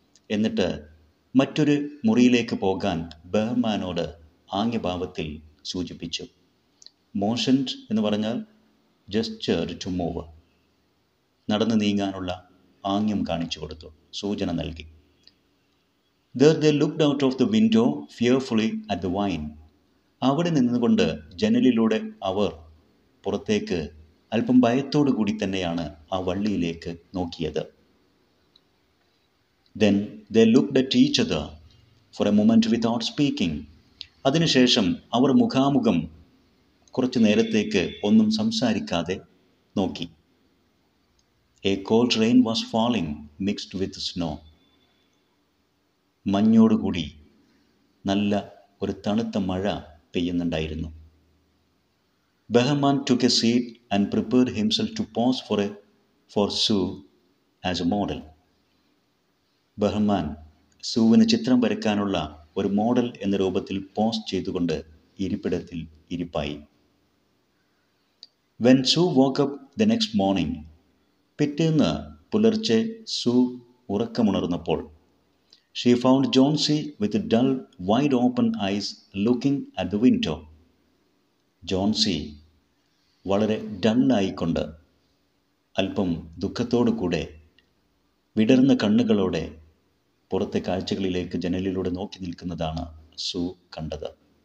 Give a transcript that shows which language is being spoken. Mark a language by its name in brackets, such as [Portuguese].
[Malayalam] എന്നിട്ട് മറ്റൊരു മുറിയിലേക്ക് പോകാൻ ബെഹ്മാനോട് ആംഗ്യഭാവത്തിൽ സൂചിപ്പിച്ചു. മോഷൻഡ് എന്ന് പറഞ്ഞാൽ [English] jester to move, [Malayalam] നടന്ന് നീങ്ങാനുള്ള ആംഗ്യം കാണിച്ചു കൊടുത്തു, സൂചന നൽകി. [English] There they looked out of the window fearfully at the wine. [Malayalam] അവിടെ നിന്നുകൊണ്ട് ജനലിലൂടെ അവർ പുറത്തേക്ക് അല്പം ഭയത്തോടു കൂടി തന്നെയാണ് ആ വള്ളിയിലേക്ക് നോക്കിയത്. [English] Then they looked at each other for a moment without speaking. [Malayalam] അതിനുശേഷം അവർ മുഖാമുഖം കുറച്ചു നേരത്തേക്ക് ഒന്നും സംസാരിക്കാതെ നോക്കി. [English] A cold rain was falling mixed with snow. [Malayalam] മഞ്ഞോടുകൂടി നല്ല ഒരു തണുത്ത മഴ പെയ്യുന്നുണ്ടായിരുന്നു. [English] Bahman took a seat and prepared himself to pose for Su as a model. [Malayalam] ബഹ്മാൻ സുവിന് ചിത്രം വരയ്ക്കാനുള്ള ഒരു മോഡൽ എന്ന രൂപത്തിൽ പോസ് ചെയ്തുകൊണ്ട് ഇരിപ്പിടത്തിൽ ഇരിപ്പായി. [English] When Su woke up the next morning. [Malayalam] പിറ്റേന്ന് പുലർച്ചെ സു ഉറക്കമുണർന്നപ്പോൾ [English] She found Jonesy with dull, wide-open eyes looking at the window. [Malayalam] Jonesy, വളരെ ഡണ്ണായിക്കൊണ്ട് അല്പം ദുഃഖത്തോടുകൂടെ വിടർന്ന കണ്ണുകളോടെ പുറത്തെ കാഴ്ചകളിലേക്ക് ജനലിലൂടെ നോക്കി നിൽക്കുന്നതാണ് സു കണ്ടത്.